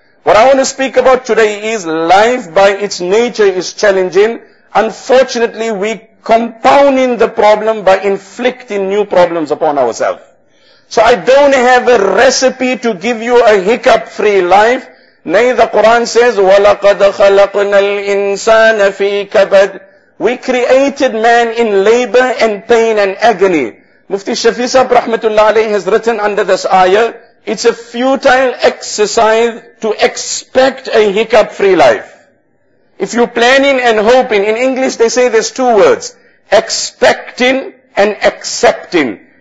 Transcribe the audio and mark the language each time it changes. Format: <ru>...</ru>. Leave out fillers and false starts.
<en>What I want to speak about today is life by its nature is challenging. Unfortunately, we compounding the problem by inflicting new problems upon ourselves. So I don't have a recipe to give you a hiccup-free life. Nay, the Quran says,</en> <ar>وَلَقَدْ خَلَقْنَا الْإِنسَانَ فِي كَبَدْ.</ar> <en>We created man in labor and pain and agony. Mufti Shafi Sahib Rahmatullah Alayhi has written under this ayah, it's a futile exercise to expect a hiccup-free life. If you're planning and hoping, in English they say there's two words, expecting and accepting.</en>